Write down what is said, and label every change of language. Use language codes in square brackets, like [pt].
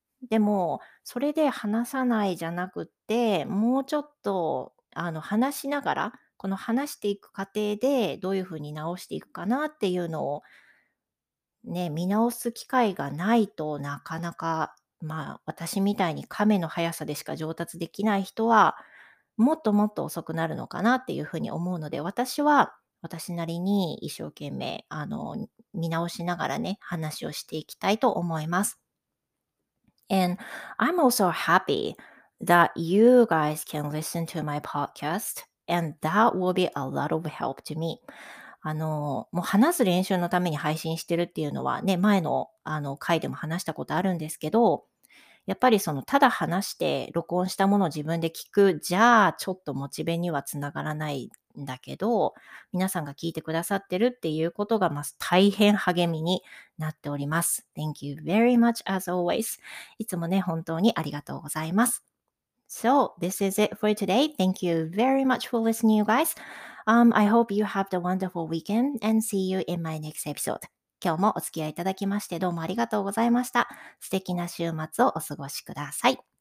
[ja] でも、それで話さないじゃなくて、もうちょっと話しながら、この話していく過程でどういうふうに直していくかなっていうのをね、見直す機会がないとなかなか、まあ私みたいに亀の速さでしか上達できない人は、もっともっと遅くなるのかなっていうふうに思うので、私は私なりに一生懸命見直しながらね、話をしていきたいと思います。 [en] And I'm also happy that you guys can listen to my podcast and that will be a lot of help to me. [ja] もう話す練習のために配信してるっていうのはね、前の回でも話したことあるんですけど、やっぱりただ話して録音したものを自分で聞く、じゃあちょっとモチベにはつながらないんだけど、皆さんが聞いてくださってるっていうことが、まず大変励みになっております。 [en] Thank you very much as always. [ja] いつもね、本当にありがとうございます。 [en] So, this is it for today. Thank you very much for listening, you guys. I hope you have a wonderful weekend and see you in my next episode. [ja] 今日もお付き合いいただきましてどうもありがとうございました。素敵な週末をお過ごしください。